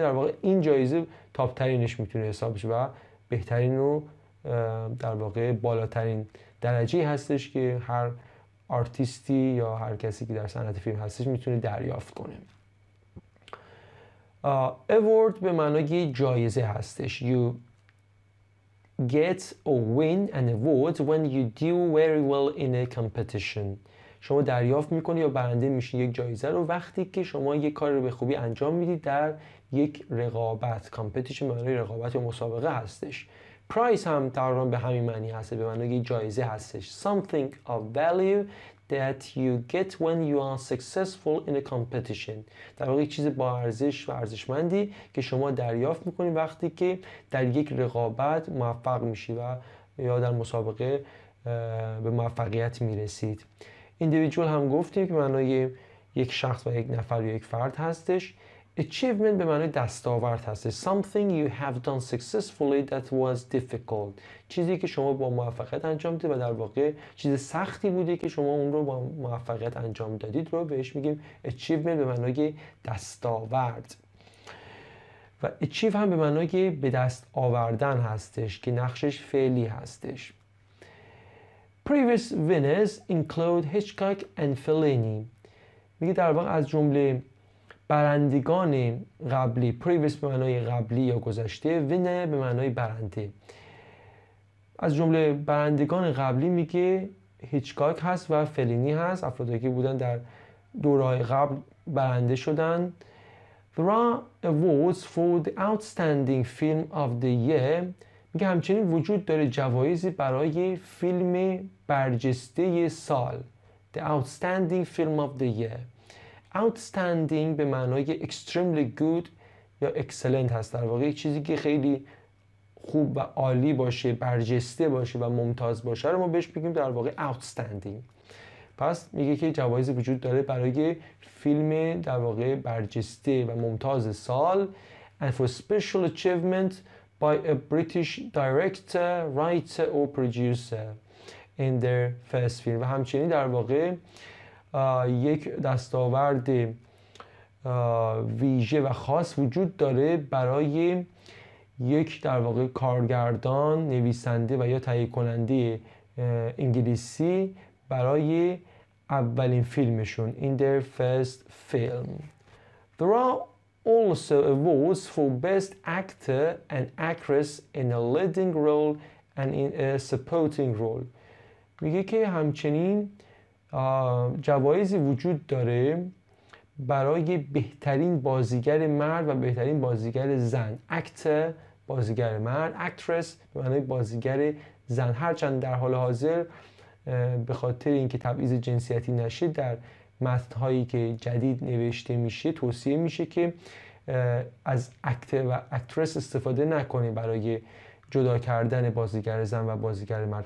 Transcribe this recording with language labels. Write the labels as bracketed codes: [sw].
[fa] در واقع این جایزه تاپ ترینش میتونه حساب بشه و بهترین رو در واقع بالاترین درجه هستش که هر آرتیستی یا هر کسی که در صنعت فیلم هستش میتونه دریافت کنه. Award به معنی جایزه هستش. [en] You get or win an award when you do very well in a competition. [fa] شما دریافت میکنی یا برنده میشین یک جایزه رو وقتی که شما یک کار رو به خوبی انجام میدید در یک رقابت. competition به معنی رقابت یا مسابقه هستش. Prize هم تقریبا به همین معنی هست، به معنی جایزه هستش. [en] Something of value that you get when you are successful in a competition. [fa] در واقع چیز با ارزش و ارزشمندی که شما دریافت میکنید وقتی که در یک رقابت موفق میشی و یا در مسابقه به موفقیت میرسید. Individual هم گفتیم که معنی یک شخص و یک نفر یا یک فرد هستش. Achievement به معنی دستاورد هست. [en] Something you have done successfully that was difficult. [fa] چیزی که شما با موفقیت انجام دادید و در واقع چیز سختی بوده که شما اون رو با موفقیت انجام دادید رو بهش میگیم achievement به معنی دستاورد. و achieve هم به معنی به دست آوردن هستش که نقشش فعلی هستش. [en] Previous winners include Hitchcock and Fellini. [fa] میگه در واقع از جمله برندگان قبلی، previous به معنای قبلی یا گذشته، winner به معنای برنده. از جمله برندگان قبلی میگه هیچکاک هست و فلینی هست، افرادی که بودن در دورهای قبل برنده شدن. [en] There are awards for the outstanding film of the year. [fa] میگه همچنین وجود داره جوایزی برای فیلم برجسته سال [en] The Outstanding Film of the Year. [fa] Outstanding به معنای [en] Extremely Good [fa] یا Excellent هست، در واقع چیزی که خیلی خوب و عالی باشه، برجسته باشه و ممتاز باشه رو ما بهش بگیم در واقع Outstanding. پس میگه که جوایزی وجود داره برای فیلم در واقع برجسته و ممتاز سال [en] And for special achievement by a British director, writer or producer in their first film. [fa] و همچنین در واقع یک دستاورد ویژه و خاص وجود داره برای یک در واقع کارگردان، نویسنده و یا تهیه کننده انگلیسی برای اولین فیلمشون [en] in their first film. There are also awards for best actor and actress in a leading role and in a supporting role. [fa] میگه که همچنین جوایزی وجود داره برای بهترین بازیگر مرد و بهترین بازیگر زن. Actor بازیگر مرد، actress به معنی بازیگر زن. هرچند در حال حاضر به خاطر اینکه تبعیض جنسیتی نشه در متن‌هایی که جدید نوشته میشه توصیه میشه که از اکتر و اکترس استفاده نکنی برای جدا کردن بازیگر زن و بازیگر مرد.